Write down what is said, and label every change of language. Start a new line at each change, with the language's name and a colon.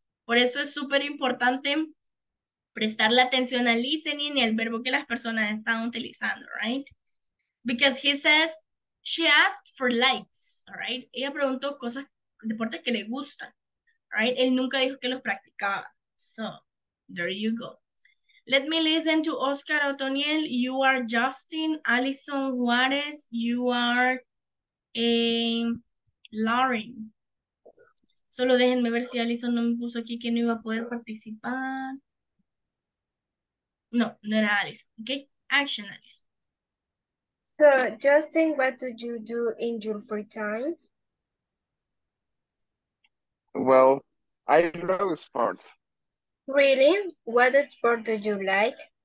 Spanish: Por eso es súper importante prestar la atención al listening y al verbo que las personas están utilizando, right?
English: Because he says, she asked for likes, all right?
Spanish: Ella preguntó cosas, deportes que le gustan, right? Él nunca dijo que los practicaba.
English: So, there you go. Let me listen to Oscar Otoniel. You are Justin, Alison Juarez. You are Lauren.
Spanish: Solo déjenme ver si Alison no me puso aquí que no iba a poder participar.
English: No, not Alice. Okay, action, Alice. So, Justin, what do you do in your free time? Well, I love sports. Really? What sport do you like?